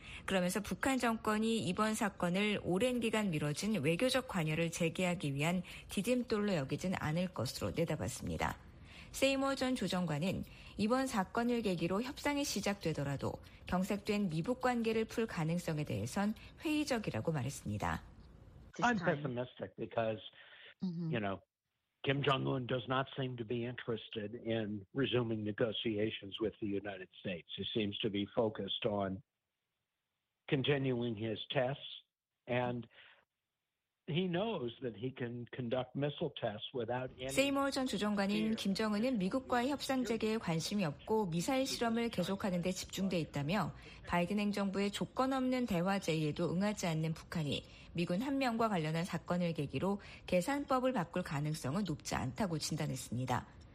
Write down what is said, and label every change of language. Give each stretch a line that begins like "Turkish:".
Korean: 그러면서 북한 정권이 이번 사건을 오랜 기간 미뤄진 외교적 관여를 재개하기 위한 디딤돌로 여기진 않을 것으로 내다봤습니다. 세이머 전 조정관은 이번 사건을 계기로 협상이 시작되더라도 경색된 미북 관계를 풀 가능성에 대해선 회의적이라고 말했습니다.
English: I'm pessimistic because, you know, Kim Jong-un does not seem to be interested in resuming negotiations with the United States. He seems to be focused on continuing his tests and He knows that he can conduct missile tests without any.
Korean: 세이머 전 주정관인 김정은은 미국과 협상 재개에 관심이 없고 미사일 실험을 계속하는 데 집중돼 있다며 바이든 행정부의 조건 없는 대화 제의에도 응하지 않는 북한이 미군 한 명과 관련한 사건을 계기로 계산법을 바꿀 가능성은 높지 않다고 진단했습니다.